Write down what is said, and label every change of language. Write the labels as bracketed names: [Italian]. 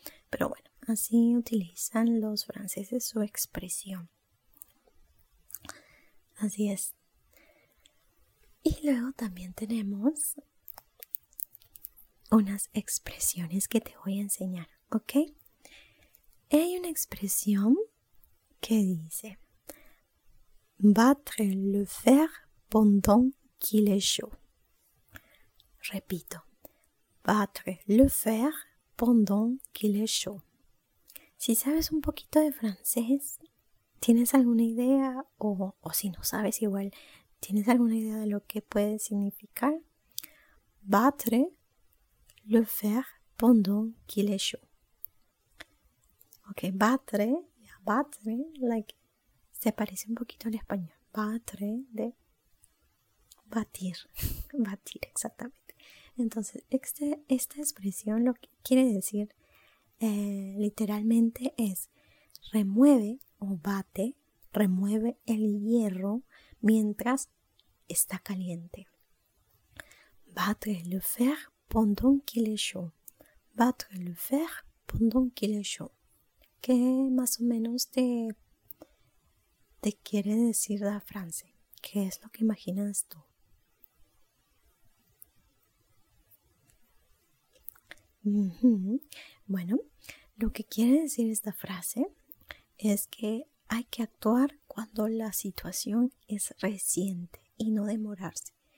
[Spanish] Pero bueno, así utilizan los franceses su expresión. Así es. Y luego también tenemos unas expresiones que te voy a enseñar, ¿ok? Hay una expresión que dice: [French] Battre le fer pendant qu'il est chaud. [Spanish] Repito: [French] Battre le fer pendant qu'il est chaud. [Spanish] Si sabes un poquito de francés, ¿tienes alguna idea? O si no sabes, igual, ¿tienes alguna idea de lo que puede significar? [French] Battre le fer pendant qu'il est chaud. Ok, battre, like, [Spanish] se parece un poquito al español. batre, de batir, batir, exactamente. Entonces, esta expresión lo que quiere decir literalmente es remueve o bate, remueve el hierro mientras está caliente. [French] Battre le fer pendant qu'il est chaud. Battre le fer pendant qu'il est chaud. [Spanish] ¿Qué más o menos te quiere decir la frase? ¿Qué es lo que imaginas tú? Bueno, lo que quiere decir esta frase es que hay que actuar cuando la situación es reciente y no demorarse.